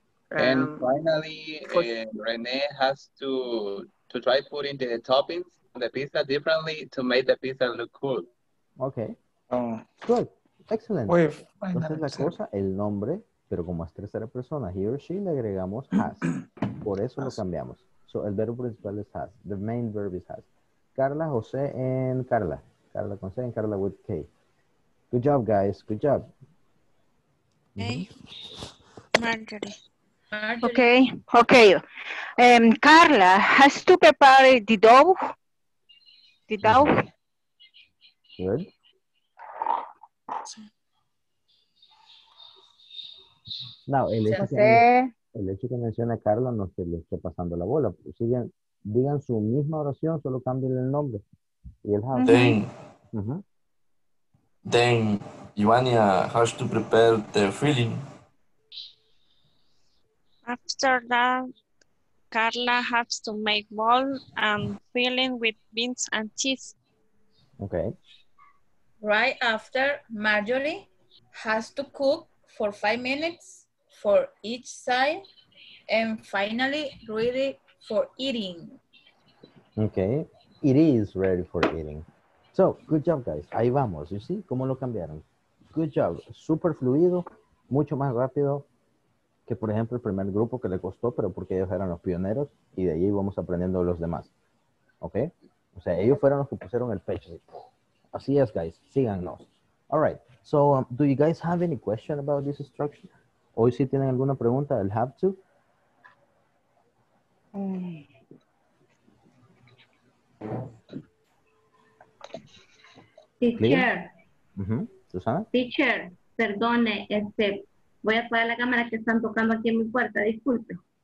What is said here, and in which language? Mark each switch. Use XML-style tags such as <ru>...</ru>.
<en>And finally, Renee has to try putting the toppings the pizza differently to make the pizza look cool. Okay. Good. Excellent.</en> <es>Entonces la cosa, el nombre, pero como es tercera persona,</es> <en>he or she,</en> <es>le agregamos has. Por eso lo cambiamos. So el verbo principal es has.</es> <en>The main verb is has. Carla, José, and Carla.</en> <es>Carla con C</es> <en>and Carla with K. Good job, guys. Good job. Hey. Marjorie. Okay. Okay. Carla, has to prepare the dough? The dough? Good.</en> <es>Now, el hecho que menciona Carla no es que le esté pasando la bola. Siguen, digan su misma oración, solo cambien el nombre. Y el</es> <en>has. Then, then Ivania has to prepare the filling. After that, Carla has to make bowl and fill in with beans and cheese. Okay. Right after, Marjorie has to cook for 5 minutes for each side and finally ready for eating. Okay. It is ready for eating. So, good job, guys.</en> <es>Ahí vamos.</es> <en>You see?</en> <es>¿Cómo lo cambiaron?</es> <en>Good job.</en> <es>Super fluido. Mucho más rápido. Que, por ejemplo, el primer grupo que le costó, pero porque ellos eran los pioneros y de ahí íbamos aprendiendo los demás. ¿Ok? O sea, ellos fueron los que pusieron el pecho. Así es, guys. Síganos.</es> <en>All right. So, do you guys have any question about this instruction?</en> <es>¿Hoy sí tienen alguna pregunta del have to?</es> <en>Teacher. Susana.</en> <es>Teacher, perdone, voy a apagar la cámara que están tocando aquí en mi puerta, disculpe.</es>